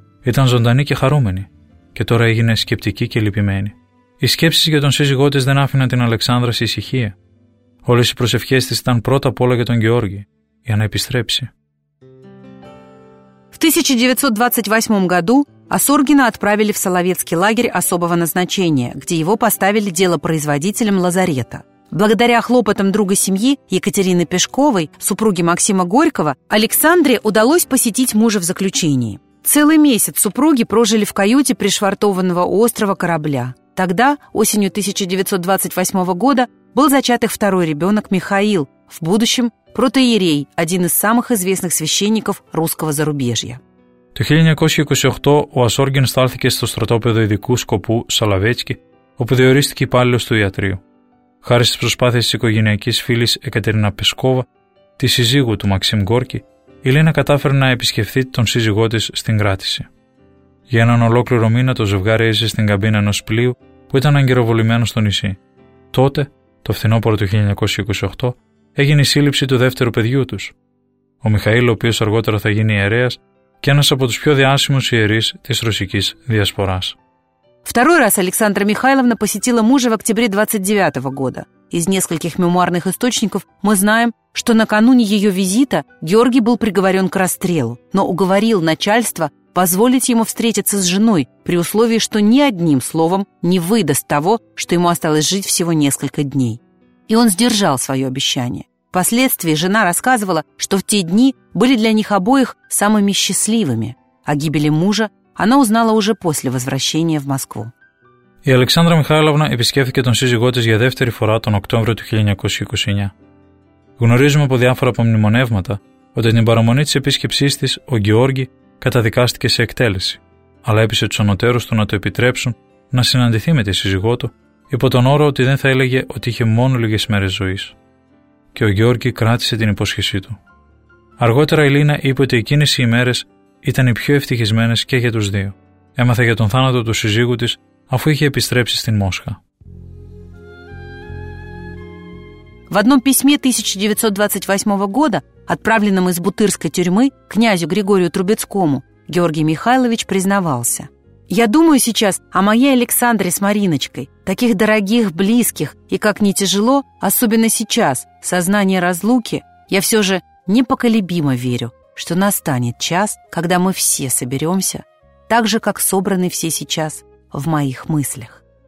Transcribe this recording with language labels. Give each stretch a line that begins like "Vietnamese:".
Greek: Ήταν ζωντανή και χαρούμενη, και τώρα έγινε σκεπτική και λυπημένη. Οι σκέψεις για τον σύζυγό της δεν άφηναν την Αλεξάνδρα σε ησυχία. Όλες οι προσευχές της ήταν πρώτα απ' όλα για τον Γιώργη, για να επιστρέψει.
Russian: В 1928 году Ασόργιν отправили в Соловецкий лагерь особого назначения, где его поставили делопроизводителем лазарета. Благодаря хлопотам друга семьи Екатерины Пешковой, супруги Максима Горького, Александре удалось посетить мужа в заключении. Целый месяц супруги прожили в каюте пришвартованного у острова корабля. Тогда, осенью 1928 года, был зачат их второй ребенок Михаил, в будущем протоиерей, один из самых известных священников русского зарубежья.
Greek: Το 1928 ο Ασόργιν στάλθηκε στο στρατόπεδο ειδικού σκοπού Σολοβέτσκι, όπου διορίστηκε υπάλληλος του ιατρείου. Χάρη στις προσπάθειες της οικογενειακής φίλης Εκατερίνα Πεσκόβα, τη σύζυγου του Μαξίμ Γκόρκη, η Λίνα κατάφερε να επισκεφθεί τον σύζυγό της στην κράτηση. Για έναν ολόκληρο μήνα το ζευγάρι έζησε στην καμπίνα ενός πλοίου που ήταν αγκυροβολημένο στο νησί. Τότε, το φθινόπωρο του 1928, έγινε η σύλληψη του δεύτερου παιδιού τους. Ο Μιχαήλ, ο οποίος αργότερα θα γίνει ιερέας, και ένας από τους πιο διάσημους ιερείς της ρωσικής διασποράς.
Russian: Второй раз Александра Михайловна посетила мужа в октябре 29 года. Из нескольких мемуарных источников мы знаем, что накануне ее визита Георгий был приговорен к расстрелу, но уговорил начальство позволить ему встретиться с женой при условии, что ни одним словом не выдаст того, что ему осталось жить всего несколько дней. И он сдержал свое обещание. Впоследствии жена рассказывала, что в те дни были для них обоих самыми счастливыми. О гибели мужа она узнала уже после возвращения в Москву.
Greek: Η Αλεξάνδρα Μιχάηλοβνα επισκέφθηκε τον σύζυγό της για δεύτερη φορά τον Οκτώβριο του 1929. Γνωρίζουμε από διάφορα απομνημονεύματα ότι την παραμονή της επίσκεψής της ο Γεώργη καταδικάστηκε σε εκτέλεση, αλλά έπεισε τους ανωτέρους του να το επιτρέψουν να συναντηθεί με τη σύζυγό του υπό τον όρο ότι δεν θα έλεγε ότι είχε μόνο λίγες μέρες ζωής. Και ο Γεώργη κράτησε την υπόσχεσή του. Αργότερα η Λίνα είπε ότι εκείνες οι ημέρες ήταν οι πιο ευτυχισμένες και για τους δύο. Έμαθε για τον θάνατο του σύζυγου της αφού είχε επιστρέψει στην Μόσχα.
Russian: В одном письме 1928 года, отправленном из Бутырской тюрьмы князю Григорию Трубецкому, Георгий Михайлович признавался: «Я думаю сейчас о моей Александре с Мариночкой, таких дорогих, близких, и как ни тяжело, особенно сейчас, сознание разлуки, я все же непоколебимо верю, что настанет час, когда мы все соберемся, так же, как собраны все сейчас в моих мыслях».